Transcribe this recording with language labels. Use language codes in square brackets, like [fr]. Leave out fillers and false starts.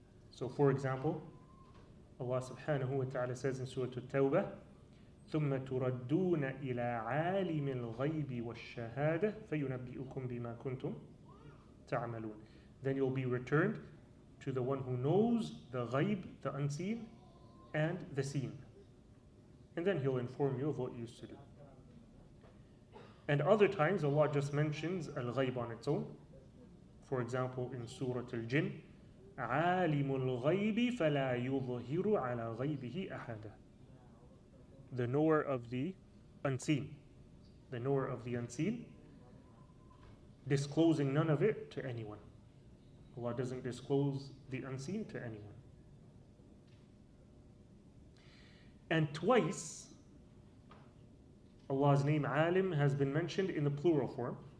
[en] So for example, Allah subhanahu wa ta'ala says in Surah At-Tawbah, [ar] ثُمَّ تُرَدُّونَ إِلَىٰ عَالِمِ الْغَيْبِ وَالشَّهَادَةِ فَيُنَبِّئُكُمْ بِمَا كُنْتُمْ تَعْمَلُونَ. [en] Then you'll be returned to the one who knows the ghayb, the unseen, and the seen. And then he'll inform you of what you used to do. And other times, Allah just mentions al-ghayb on its own. For example, in Surah Al-Jinn, [ar] عَالِمُ الْغَيْبِ فَلَا يُظْهِرُ عَلَى غَيْبِهِ أَحَدًا. [en] The knower of the unseen. The knower of the unseen, disclosing none of it to anyone. Allah doesn't disclose the unseen to anyone. And twice, Allah's name, Alim, has been mentioned in the plural form.